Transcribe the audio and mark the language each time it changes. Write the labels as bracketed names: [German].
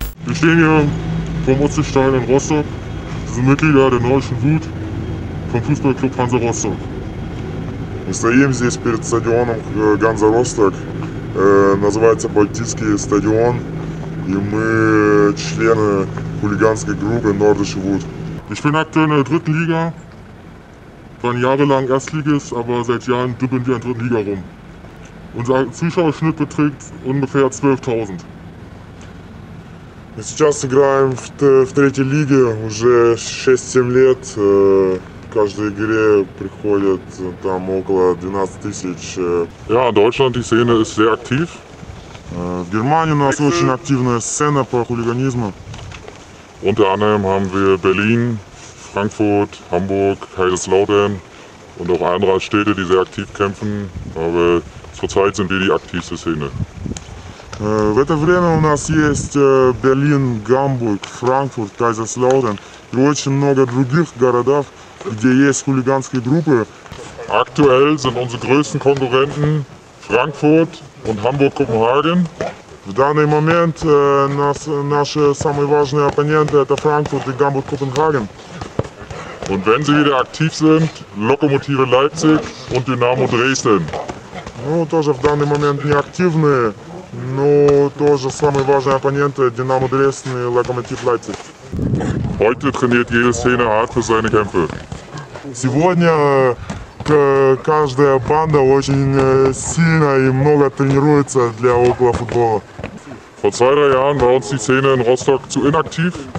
[German] Ich bin hier vom OC Stahl in Rostock, sind Mitglieder der Nordischen Wut vom Fußballclub Hansa Rostock. [Russian] Мы стоим здесь перед стадионом Ганза Росток, называется Балтийский стадион, и мы члены хулиганской группы Nordische Wut. [German] Ich bin aktuell in der dritten Liga, waren jahrelang Erstligist, aber seit Jahren dübbeln wir in der dritten Liga rum. Unser Zuschauerschnitt beträgt ungefähr 12.000. [Russian] Мы сейчас играем в третьей лиге уже 6-7 лет. В каждой игре приходит там около 12 тысяч. [German] Ja, Deutschland, die Szene ist sehr aktiv. [Russian] В Германии у нас очень активная сцена по хулиганизму. [German] Unter anderem haben wir Berlin, Frankfurt, Hamburg, Kaiserslautern und auch andere Städte, die sehr aktiv kämpfen. Aber zurzeit sind wir die aktivste Szene. [Russian] В это время у нас есть Берлин, Гамбург, Франкфурт, Кайзерслаутерн и очень много других городов, где есть хулиганские группы. [German] Aktuell sind unsere größten Konkurrenten Frankfurt und Hamburg-Kopenhagen. [Russian] В данный момент наши самые важные оппоненты – это Франкфурт и Гамбург-Копенгаген. [German] Und wenn sie wieder aktiv sind, Lokomotive Leipzig und Dynamo Dresden. [Russian] Ну, тоже в данный момент не активны. Ну, тоже самые важные оппоненты – Динамо Дрезден и Локомотив Лайпциг. [German] Heute trainiert jede Szene hart für seine Kämpfe. [Russian] Сегодня каждая банда очень сильно и много тренируется для околофутбола. [German] Vor 2-3 Jahren war uns die Szene in Rostock zu inaktiv.